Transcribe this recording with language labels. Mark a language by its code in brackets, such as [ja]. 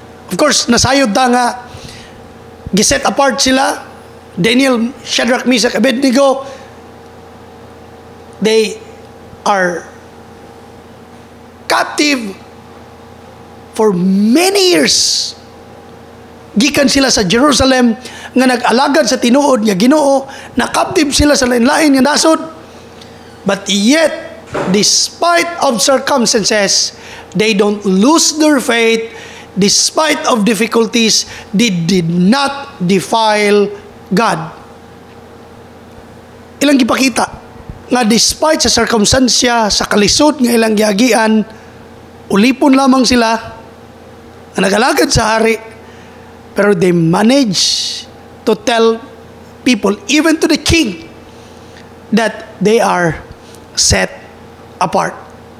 [en] Of course, [ceb] nasayod ta nga giset apart sila, Daniel, Shadrach, Meshach, Abednego. [en] They are captive for many years. [ceb] Gikan sila sa Jerusalem nga nag-alagad sa tinuod nga Ginoo, na captive sila sa lain-lain nga nasod. [en] But yet, despite of circumstances, they don't lose their faith. Despite of difficulties, they did not defile God. [ceb] Ilang gipakita nga despite sa circumstances, sa kalisod nga ilang giagian, ulipon lamang sila na nagalagad sa hari, pero [en] they manage to tell people, even to the king, that they are set apart.